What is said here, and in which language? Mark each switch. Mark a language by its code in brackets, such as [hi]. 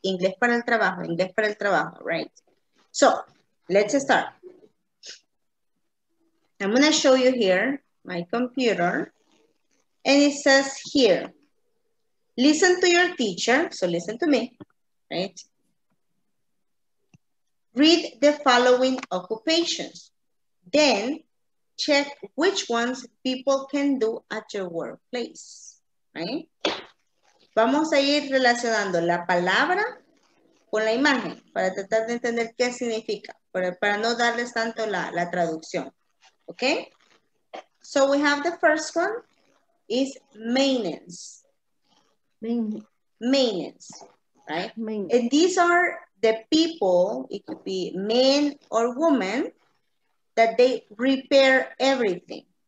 [es] Inglés para el trabajo, inglés para el trabajo, right? [en] So, let's start. I'm going to show you here my computer. And it says here, listen to your teacher, so listen to me, right? Read the following occupations. Then, check which ones people can do at your workplace. [es] Vamos a ir relacionando la palabra con la imagen para tratar de entender qué significa, para no darles tanto la traducción. ¿Ok? [en] So we have the first one is maintenance. Maintenance. Right? Maintenance. And these are the people, it could be men or women, that they repair everything.